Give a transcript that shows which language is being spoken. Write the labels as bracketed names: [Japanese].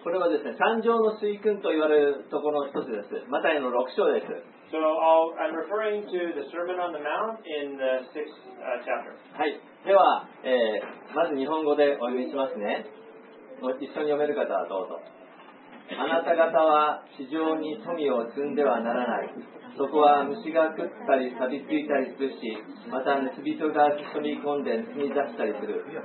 [Japanese] これはですね、三条の水訓と言われるところの一つです。マタイの六章です。 [English] So I'm referring to the Sermon on the Mount in the sixth chapter. [Japanese] はい。では、まず日本語でお読みしますね。一緒に読める方はどうぞ。あなた方は地上に富を積んではならない。そこは虫が食ったり錆びついたりするし、また盗人が積み込んで積み出したりする。